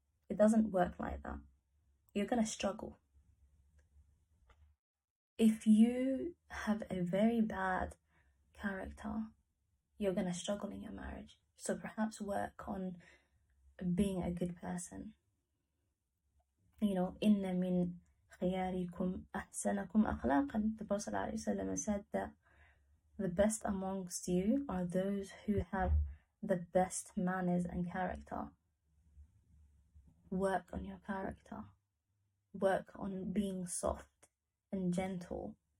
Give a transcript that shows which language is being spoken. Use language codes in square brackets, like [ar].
[en] It doesn't work like that. You're going to struggle. If you have a very bad character, you're going to struggle in your marriage. So perhaps work on being a good person. You know, [ar] إِنَّ مِنْ خِيَارِكُمْ أَحْسَنَكُمْ أَخْلَاقًا. [en] The Prophet ﷺ said that the best amongst you are those who have the best manners and character. Work on your character. Work on being soft and gentle.